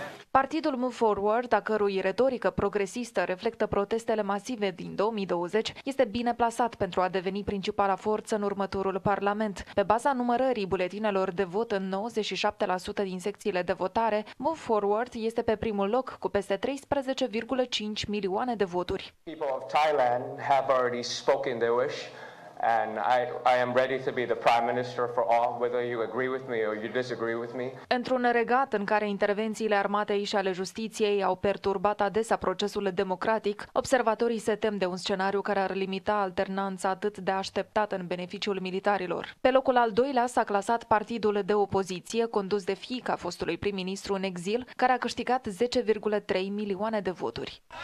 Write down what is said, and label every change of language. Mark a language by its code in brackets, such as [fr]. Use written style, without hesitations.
[ro] Partidul Move Forward, a cărui retorică progresistă reflectă protestele masive din 2020, este bine plasat pentru a deveni principala forță în următorul parlament. Pe baza numărării buletinelor de vot în 97% din secțiile de votare, Move Forward este pe primul loc cu peste 13,5 milioane de voturi. [en] People of Thailand have already spoken their wish and I am ready to be the prime minister for all, whether you agree with me or you disagree with me. [ro] Într-un regat în care intervențiile armatei și ale justiției au perturbat adesea procesul democratic, observatorii se tem de un scenariu care ar limita alternanța atât de așteptată în beneficiul militarilor. Pe locul al doilea s-a clasat partidul de opoziție condus de fiica fostului prim-ministru în exil, care a câștigat 10,3 milioane de voturi.